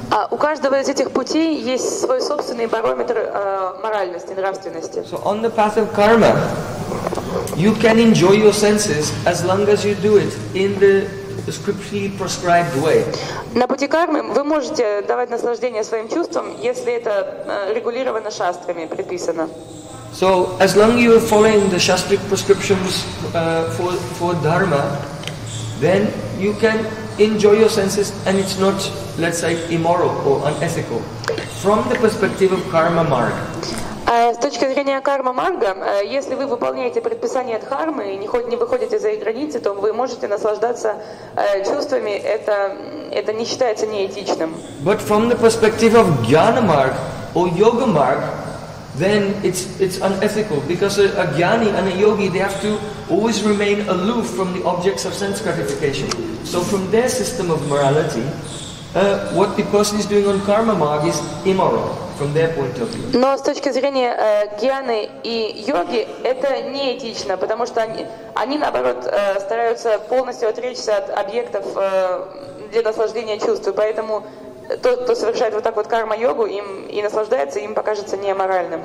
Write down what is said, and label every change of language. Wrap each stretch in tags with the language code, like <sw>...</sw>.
<ru>У каждого из этих путей есть свой собственный барометр моральности, нравственности.</ru> <en>So on the path of karma, you can enjoy your senses as long as you do it in the scripturally prescribed way.</en> <ru>На пути кармы вы можете давать наслаждение своим чувствам, если это регулировано шастрами, предписано.</ru> <en>So as long as you are following the shastric prescriptions for dharma, then you can enjoy your senses, and it's not, let's say, immoral or unethical. From the perspective of karma marg.</en> <ru>С точки зрения карма марга, если вы выполняете предписание дхармы и не выходите за их границы, то вы можете наслаждаться чувствами. Это не считается неэтичным.</ru> <en>But from the perspective of jnana marg or yoga marg, then it's unethical, because a jnani and a yogi, they have to always remain aloof from the objects of sense gratification. So from their system of morality, what the person is doing on karma marg is immoral from their point of view.</en> <ru>Но с точки зрения гьяны и йоги, это неэтично, потому что они наоборот стараются полностью отречься от объектов для наслаждения чувств, поэтому тот, кто совершает вот так вот карма-йогу, им и наслаждается, им покажется неаморальным.</ru>